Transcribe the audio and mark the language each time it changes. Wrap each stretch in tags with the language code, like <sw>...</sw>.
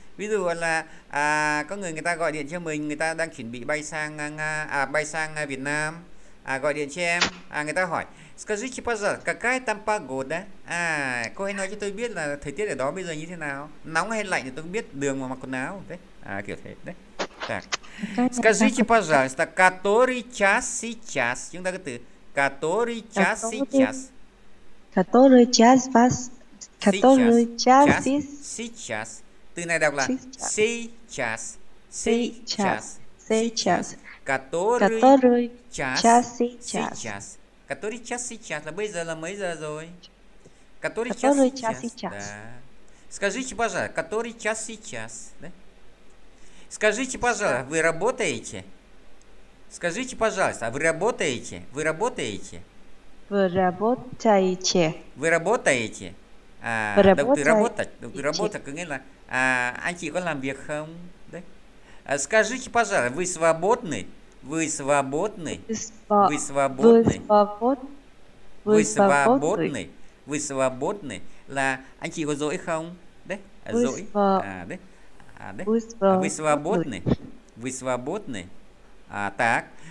<vi>Ví dụ là có người ta gọi điện cho mình, người ta đang chuẩn bị bay sang Nga, bay sang Việt Nam, gọi điện cho em, người ta hỏi</vi> <ru>скажите, пожалуйста, какая там погода?</ru> <vi>Cô hãy nói cho tôi biết là thời tiết ở đó bây giờ như thế nào, nóng hay lạnh thì tôi biết đường mà mặc quần áo đấy, kiểu thế đấy.</vi> <ru>Так. Скажите, пожалуйста, который час сейчас?</ru> <vi>Chúng ta cứ từ</vi> <ru>который час сейчас. Который час вас? Который час сейчас?</ru> <vi>Từ này đọc là сейчас.</vi> <ru>Сейчас. Сейчас. Который час сейчас? Который час сейчас?</ru> <vi>Là bây giờ là mấy giờ rồi?</vi> <ru>Который час сейчас? Скажите, пожалуйста, который час сейчас? Скажите, пожалуйста, вы работаете? Скажите, пожалуйста, вы работаете? Вы работаете? Вы работаете? Вы работаете? Вы работаете? Работа, работа, как говорится,</ru> <vi>anh chị có làm việc không? Đấy.</vi> <ru>Скажите, пожалуйста, вы свободны? Вы свободны? Вы свободны? Вы свободны? Вы свободны?</ru> <vi>Là anh chị có rỗi không? Đấy, rỗi. Đấy.</vi> <ru>Вы свободны? Вы свободны? Так.</ru>